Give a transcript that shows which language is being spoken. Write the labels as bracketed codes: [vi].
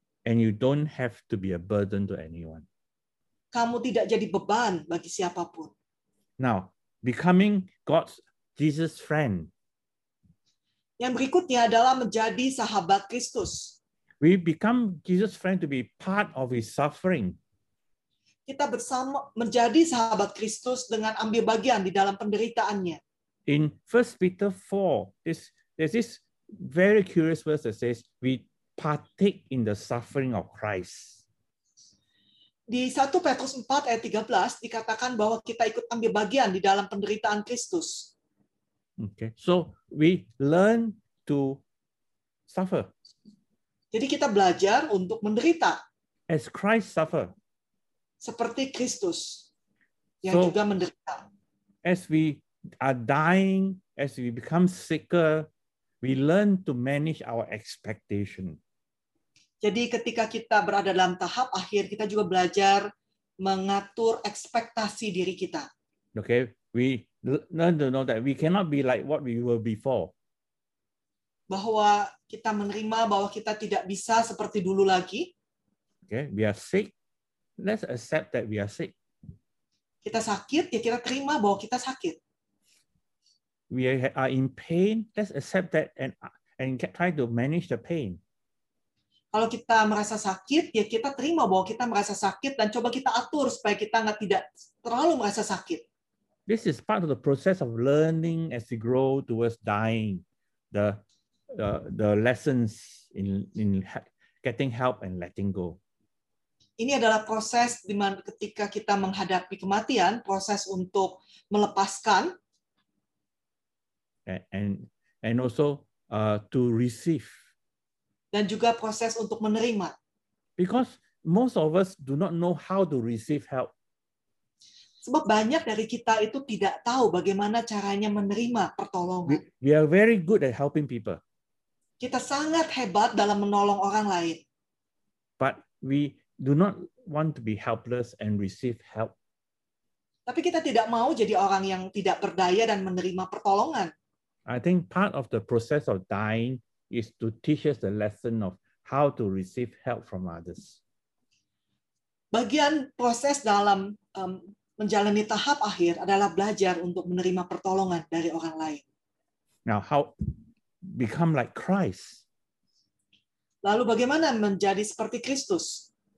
[en] And you don't have to be a burden to anyone. [id] Kamu tidak jadi beban bagi siapapun. [en] Now, becoming God's Jesus friend. [id] Yang berikutnya adalah menjadi sahabat Kristus. [en] We become Jesus friend to be part of his suffering. [id] Kita bersama menjadi sahabat Kristus dengan ambil bagian di dalam penderitaannya. [en] In 1 Peter 4, there's this very curious verse that says, we partake in the suffering of Christ. [id] Di 1 Petrus 4 ayat 13 dikatakan bahwa kita ikut ambil bagian di dalam penderitaan Kristus. [en] Okay. So we learn to suffer. [id] Jadi kita belajar untuk menderita. [en] as Christ suffer. [id] Seperti Kristus yang so, juga menderita. [en] As we are dying, as we become sicker, we learn to manage our expectation. [id] Jadi ketika kita berada dalam tahap akhir, kita juga belajar mengatur ekspektasi diri kita. [en] Okay, we learn to know that we cannot be like what we were before. [id] Bahwa kita menerima bahwa kita tidak bisa seperti dulu lagi. [en] Okay, we are sick. Let's accept that we are sick. [id] Kita sakit, ya kita terima bahwa kita sakit. [en] We are in pain. Let's accept that and try to manage the pain. [id] Kalau kita merasa sakit, ya kita terima bahwa kita merasa sakit dan coba kita atur supaya kita nggak tidak terlalu merasa sakit. [en] This is part of the process of learning as we grow towards dying. The lessons in getting help and letting go. [id] Ini adalah proses di mana ketika kita menghadapi kematian, proses untuk melepaskan. [en] And also to receive. [id] Dan juga proses untuk menerima. [en] Because most of us do not know how to receive help. [id] Sebab banyak dari kita itu tidak tahu bagaimana caranya menerima pertolongan. [en] We are very good at helping people. [id] Kita sangat hebat dalam menolong orang lain. [en] But we do not want to be helpless and receive help. [id] Tapi kita tidak mau jadi orang yang tidak berdaya dan menerima pertolongan. [en] I think part of the process of dying is to teach us the lesson of how to receive help from others. [id] Bagian proses dalam menjalani tahap akhir adalah belajar untuk menerima pertolongan dari orang lain. [en] Now, how become like Christ? [id] Lalu bagaimana menjadi seperti Kristus?